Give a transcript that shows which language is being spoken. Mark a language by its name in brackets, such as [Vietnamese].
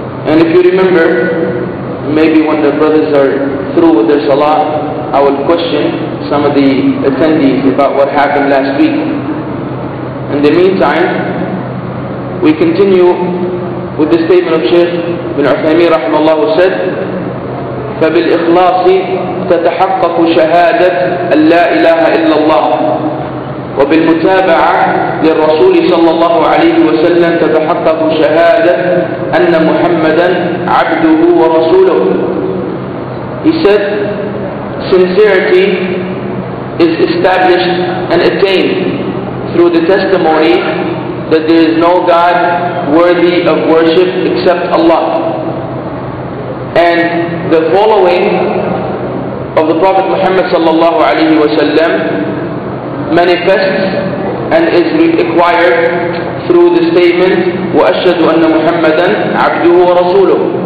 [English] And if you remember, maybe when the brothers are through with their salah, I will question some of the attendees about what happened last week. In the meantime, we continue with the statement of Shaykh Ibn Uthaymeen rahimahullah, who said, [Arabic] فَبِالْإِخْلَاصِ تَتَحَقَّقُ شَهَادَةَ اللَّا إِلَهَ إِلَّا اللَّهِ وَبِالْمُتَابَعَةَ لِلرَّسُولِ صلى الله عليه وسلم تَتَحَقَّقُ شَهَادَةَ أَنَّ مُحَمَّدًا عَبْدُهُ وَرَسُولَهُ. [English] He said, sincerity is established and attained through the testimony that there is no God worthy of worship except Allah. And the following of the Prophet Muhammad sallallahu alayhi wa sallam manifests and is required through the statement [Arabic] وَأَشْهَدُ أَنَّ مُحَمَّدًا عَبْدُهُ وَرَسُولُهُ.